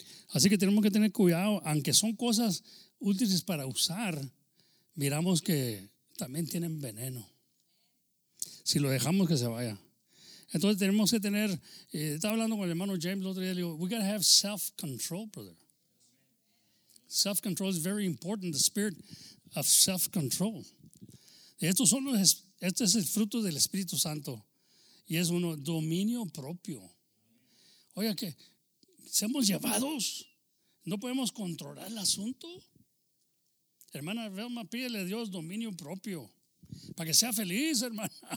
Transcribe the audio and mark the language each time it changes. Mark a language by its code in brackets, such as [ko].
[es] Así que tenemos que tener cuidado, aunque son cosas útiles para usar, miramos que también tienen veneno. Si lo dejamos que se vaya. Entonces tenemos que tener, estaba hablando con el hermano James el otro día, le digo, [en] we gotta have self-control, brother. Self-control is very important, the spirit of self-control. [es] Este es el fruto del Espíritu Santo y es uno, dominio propio. Oiga, que seamos llevados, no podemos controlar el asunto. Hermana Velma, pídele a Dios dominio propio. Para que sea feliz, hermana.